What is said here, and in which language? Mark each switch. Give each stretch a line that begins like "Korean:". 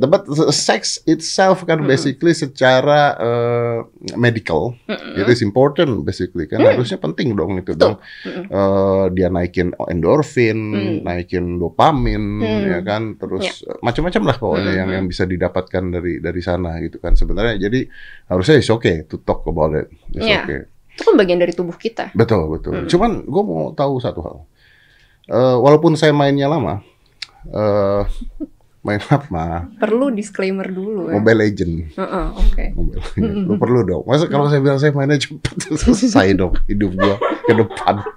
English: But sex itself
Indonesian: kan
English: basically
Indonesian: secara
English: medical. It is important basically.
Indonesian: Kan harusnya penting dong itu. Dong. Dia naikin endorfin, naikin dopamin, ya kan. Terus macam-macam lah pokoknya yang bisa didapatkan dari sana gitu kan sebenarnya. Jadi harusnya
English: it's okay to talk about it. It's okay.
Indonesian: Itu kan bagian dari tubuh kita. Betul. Cuman gue mau tahu satu hal. Walaupun saya mainnya lama, main apa? Perlu disclaimer dulu. Ya? Mobile Legend. Oke. Lo perlu dong. Masa kalau saya bilang saya mainnya cepat selesai dong hidup gua ke depan.